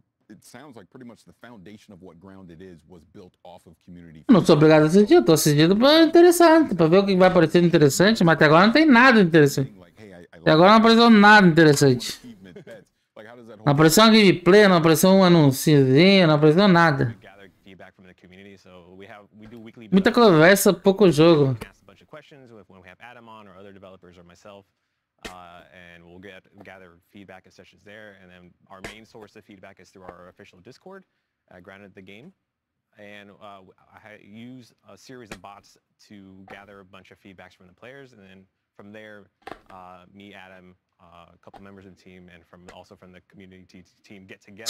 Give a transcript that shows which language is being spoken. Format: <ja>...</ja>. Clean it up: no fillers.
<en>It sounds like pretty much the foundation of what Grounded is was built off of community.</en> <pt>Não sou obrigado a assistir, eu tô assistindo pra interessante, pra ver o que vai aparecer interessante, mas até agora não tem nada interessante. Até agora não apareceu nada interessante. Não apareceu uma gameplay, não apareceu um anunciozinho, não apareceu nada.</pt> <en>in the community, so we have we do weekly</en> <pt>muita conversa, pouco jogo.</pt> <en>Ask a bunch of questions when we have Adam on or other developers or myself, and we'll get gather feedback and sessions there. And then our main source of feedback is through our official Discord, Grounded the Game, and I use a series of bots to gather a bunch of feedbacks from the players, and then from there, me, Adam, a couple members of the team, and from also from the community team get together.</en>